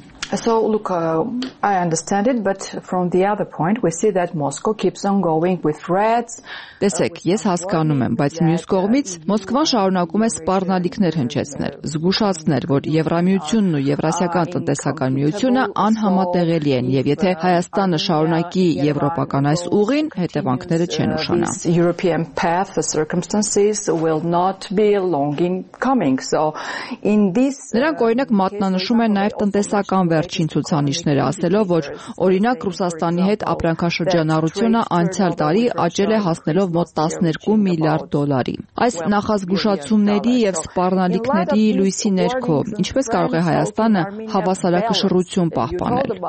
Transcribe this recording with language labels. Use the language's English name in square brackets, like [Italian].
[English] So look, I understand it, but from the other point, we see that Moscow keeps on going with threats. [Armenian] Տեսեք, ես հասկանում եմ, բայց մյուս կողմից Մոսկվան շարունակում է սպառնալիքներ հնչեցնել, զգուշացնել, որ Եվրամիությունն ու Եվրասիական տնտեսական միությունը անհամատեղելի են, եւ եթե Հայաստանը շարունակի եվրոպական այս ուղին, հետևանքները չեն ուշանա. [English] European path, the circumstances will not be long in coming. So in this [Armenian] Նրանք օրինակ մատնանշում են նաեւ տնտեսական վերջին ցուցանիշները, ասելով, որ օրինակ Ռուսաստանի հետ ապրանքաշրջանառությունը անցյալ տարի աճել է հասնելով մոտ $12 միլիարդ. Այս նախազգուշացումների եւ սպառնալիքների լույսի ներքո ինչպես կարող է Հայաստանը հավասարակշռություն պահպանել?